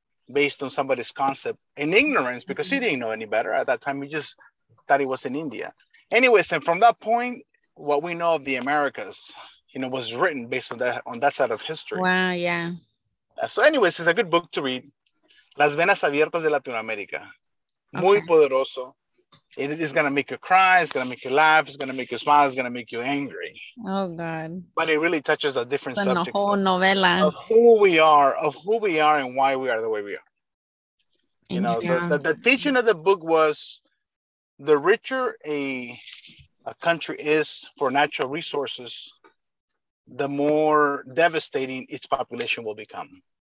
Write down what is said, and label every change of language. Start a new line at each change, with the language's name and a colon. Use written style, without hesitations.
English: based on somebody's concept in ignorance, because he didn't know any better at that time. He just thought it was in India. Anyways, and from that point, what we know of the Americas, you know, was written based on that side of history. Wow, yeah. So anyways, it's a good book to read.
Spanish: Las Venas Abiertas de Latinoamérica. Muy poderoso.
English: It is going to make you cry. It's going to make you laugh. It's going to make you smile. It's going to make you angry. Oh, God. But it really touches a different subject. The whole novella. Of who we are and why we are the way we are. You know, so the teaching of the book was the richer a country is for natural resources, the more devastating its population will become.